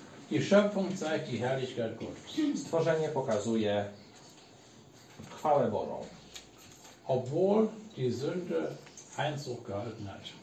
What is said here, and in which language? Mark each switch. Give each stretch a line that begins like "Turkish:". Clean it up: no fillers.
German: Die Schöpfung zeigt die Herrlichkeit Gottes.
Polish: Stworzenie pokazuje chwałę Bożą.
German: Obwohl die Sünde Einzug gehalten hat.